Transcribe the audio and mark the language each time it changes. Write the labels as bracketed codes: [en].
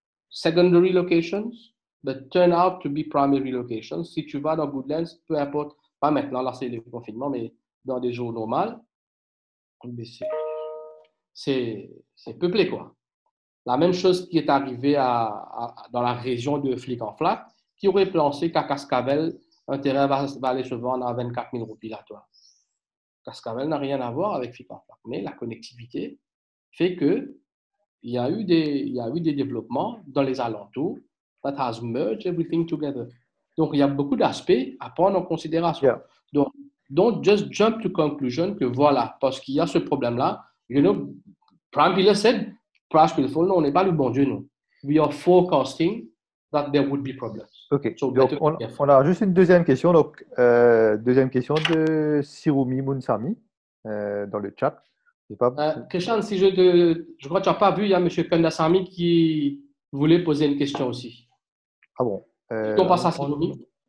[en] Secondary locations, but turn out to be primary locations. [fr] Si tu vas dans Goodlands, peu importe, pas maintenant, là c'est le confinement, mais dans des jours normaux, c'est peuplé quoi. La même chose qui est arrivée dans la région de Flic en Flac, qui aurait pensé qu'à Cascavel, un terrain va aller se vendre à 24 000 roupies à toi. Cascavel n'a rien à voir avec Flic-en-Flac, mais la connectivité fait qu'il y a eu des développements dans les alentours [en] that has merged everything together. [fr] Donc, il y a beaucoup d'aspects à prendre en considération. Yeah. Donc, [en] don't just jump to conclusion [fr] que voilà, parce qu'il y a ce problème-là. [en] You know, Prime Pillar said, price will fall. [fr] Non, on n'est pas le bon Dieu, nous. [en] We are forecasting that there would be problems. OK. [fr] So donc, on a juste une deuxième question. Donc, deuxième question de Sirumi Munsami dans le chat. Christian, si je crois que tu n'as pas vu, il y a M. Kandasamy qui voulait poser une question aussi. Ah bon? On passe à Sirumi.